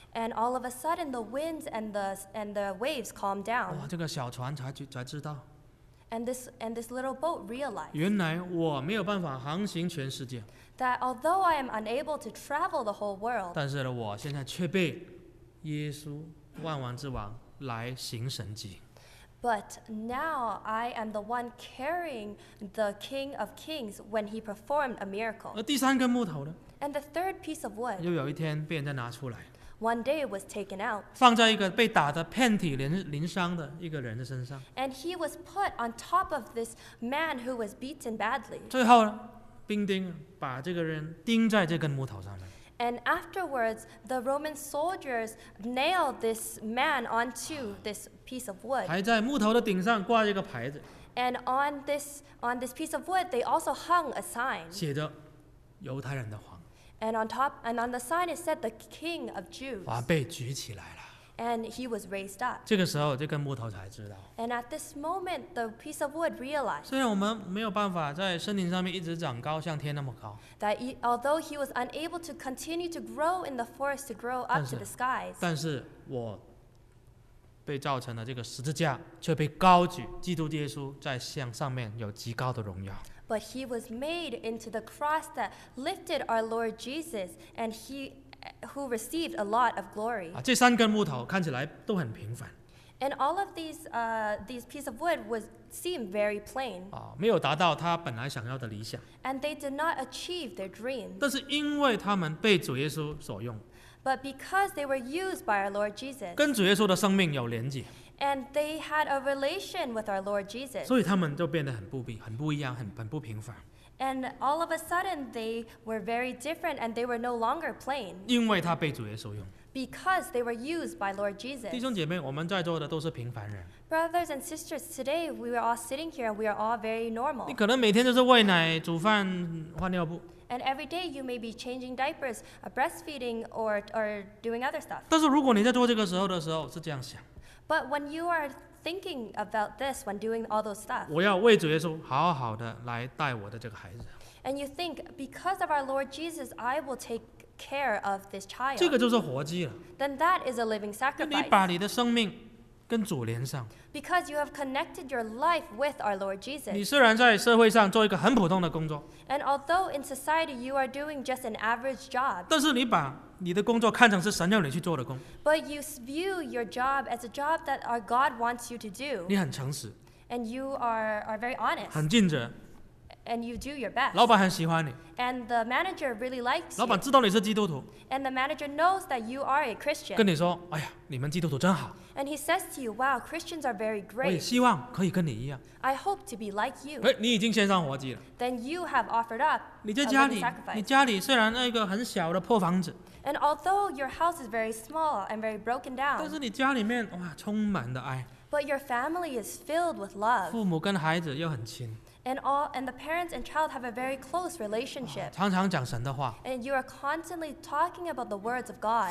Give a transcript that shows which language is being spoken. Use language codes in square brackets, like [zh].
[en] And all of a sudden, the winds and the waves calmed down. [zh] 哇，这个小船才知道。 [en] And this little boat realized. [zh] 原来我没有办法航行全世界。 [en] That although I am unable to travel the whole world. [zh] 但是呢，我现在却被耶稣万王之王来行神迹。 [en] But now I am the one carrying the King of Kings when he performed a miracle. [zh] 而第三根木头呢 [en] ？And the third piece of wood. [zh] 又有一天被人家拿出来。 [en] One day was taken out. [zh] 放在一个被打得遍体鳞伤的一个人的身上。 [en] And he was put on top of this man who was beaten badly. [zh] 最后呢，兵丁把这个人钉在这根木头上面。 [en] And afterwards, the Roman soldiers nailed this man onto this piece of wood. [zh] 还在木头的顶上挂一个牌子。 [en] And on this piece of wood, they also hung a sign. [zh] 写着犹太人的话。 [en] And on the sign it said the King of Jews. [zh] 哇，被举起来了。 [en] And he was raised up. [zh] 这个时候，这根木头才知道。 [en] And at this moment, the piece of wood realized. [zh] 虽然我们没有办法在森林上面一直长高，像天那么高。 [en] That although he was unable to continue to grow in the forest to grow up to the skies. [zh] 但是我被造成了这个十字架，却被高举，基督耶稣在向上面有极高的荣耀。 [en] But he was made into the cross that lifted our Lord Jesus, and he who received a lot of glory. [zh] 啊, 这三根木头看起来都很平凡。 [en] And all of these piece of wood was seem very plain. [zh] 啊, 没有达到他本来想要的理想。 [en] And they did not achieve their dream. [zh] 但是因为他们被主耶稣所用。 [en] But because they were used by our Lord Jesus. [zh] 跟主耶稣的生命有连结。 [en] And they had a relation with our Lord Jesus. [zh] 所以他们就变得很不一样，很不平凡。 [en] And all of a sudden, they were very different, and they were no longer plain. [zh] 因为他被主耶稣用。 [en] Because they were used by Lord Jesus. [zh] 弟兄姐妹，我们在座的都是平凡人。 [en] Brothers and sisters, today we are all sitting here, and we are all very normal. [zh] 你可能每天就是喂奶、煮饭、换尿布。 [en] And every day you may be changing diapers, breastfeeding, or doing other stuff. [zh] 但是如果你在做这个时候的时候是这样想。 [en] But when you are thinking about this, when doing all those stuff, [zh] 我要为主耶稣好好的来带我的这个孩子。 [en] And you think, because of our Lord Jesus, I will take care of this child. [zh] 这个就是活祭了。 [en] Then that is a living sacrifice. [zh] 你把你的生命跟主连上。 [en] Because you have connected your life with our Lord Jesus. [zh] 你虽然在社会上做一个很普通的工作。 [en] And although in society you are doing just an average job, [zh] 但是你把 你的工作看成是神要你去做的工, [en] but you view your job as a job that our God wants you to do. [zh] 你很诚实, [en] and you are very honest. [zh] 很尽责, [en] and you do your best. [zh] 老板很喜欢你, [en] and the manager really likes you. [zh] 老板知道你是基督徒, [en] and the manager knows that you are a Christian. [zh] 跟你说, 哎呀, 你们基督徒真好, [en] and he says to you, wow, Christians are very great. [zh] 我也希望可以跟你一样, [en] I hope to be like you. [zh] 哎, 你已经献上活祭了, [en] then you have offered up [zh] 你在家里, [en] a sacrifice. [zh] 你家里虽然那个很小的破房子, [en] and although your house is very small and very broken down, [zh] 但是你家里面, 哇, 充满了爱, [en] but your family is filled with love. [zh] 父母跟孩子又很亲, [en] and the parents and child have a very close relationship. [zh] 哇, 常常讲神的话, [en] and you are constantly talking about the words of God.